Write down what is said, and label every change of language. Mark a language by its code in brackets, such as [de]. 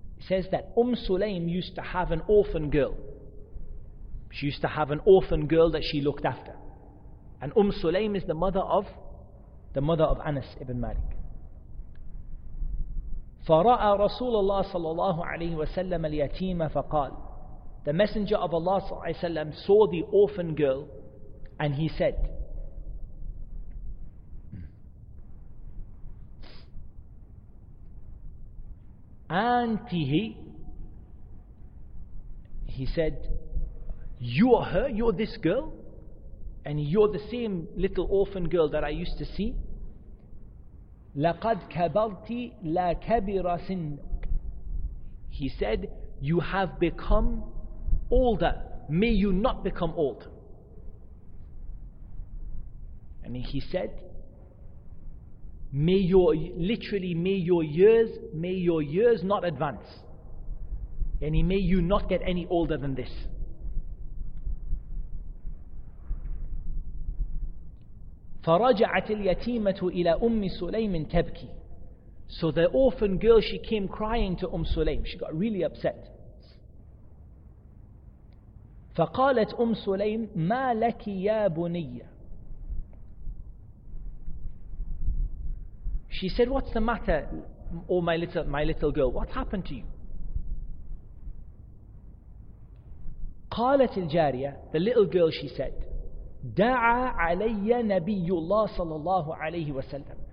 [en] Says that أم سليم used to have an orphan girl. She used to have an orphan girl that she looked after. And أم سليم is the mother of أنس ابن مالك. [ar] فرأى رسول الله صلى الله عليه وسلم اليتيمة فقال. [en] The messenger of Allah صلى الله عليه وسلم saw the orphan girl and he said, Auntie, he said, you're her, you're this girl, and you're the same little orphan girl that I used to see. [ar] لقد كبرت لا كبر سنك. [en] He said, you have become older, may you not become old. And he said, May your years not advance. And may you not get any older than this. [ar] فرجعت اليتيمة إلى أم سليم تبكي. [en] So the orphan girl, she came crying to Umm Sulaym. She got really upset. [ar] فقالت أم سليم ما لك يا بنية. [en] She said, "What's the matter, oh my little girl? What happened to you?" [ar] قالت الجارية, [en] the little girl, she said, [ar] دعا علي نبي الله صلى الله عليه وسلم.